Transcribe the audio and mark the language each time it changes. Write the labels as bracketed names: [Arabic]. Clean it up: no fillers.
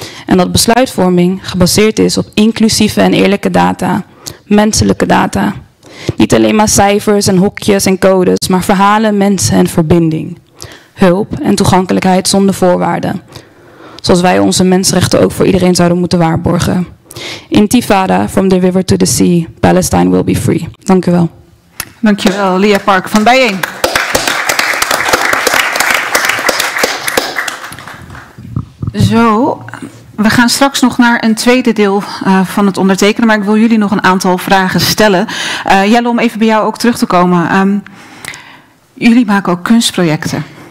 [Dutch] En dat besluitvorming gebaseerd is op inclusieve en eerlijke data. Menselijke data. Niet alleen maar cijfers en hokjes en codes, maar verhalen, mensen en verbinding. Hulp en toegankelijkheid zonder voorwaarden. Zoals wij onze mensenrechten ook voor iedereen zouden moeten waarborgen. [English] Intifada, from the river to the sea, Palestine will be free. [Dutch] Dank u wel. Dank je wel, Lia Park van Bijeen. Zo, we gaan straks nog naar een tweede deel van het ondertekenen, maar ik wil jullie nog een aantal vragen stellen. Jelle, om even bij jou ook terug te komen. Jullie maken ook kunstprojecten.